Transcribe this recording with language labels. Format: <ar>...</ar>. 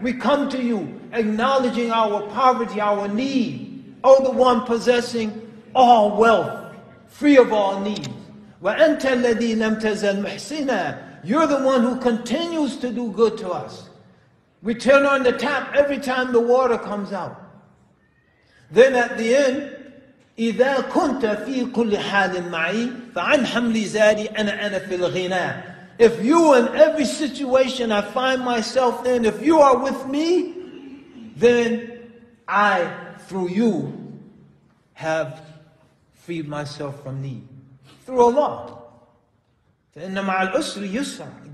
<en>We come to you acknowledging our poverty, our need. Oh, the one possessing all wealth, free of all needs.</en> <ar>وَأَنْتَ الَّذِي لَمْ تَزَلْ مُحْسِنًا.</ar> <en>You're the one who continues to do good to us. We turn on the tap every time the water comes out. Then at the end,</en> <ar>إِذَا كُنْتَ فِي كُلِّ حَالٍ مَعِي فَعَنْ حَمْلِي زَادِي أَنَا فِي الْغِنَى.</ar> <en>If you in every situation I find myself in, if you are with me, then I, through you, have freed myself from need. Through Allah.</en> <ar>فَإِنَّ مَعَ الْأُسْرِ يُسْرًا.</ar>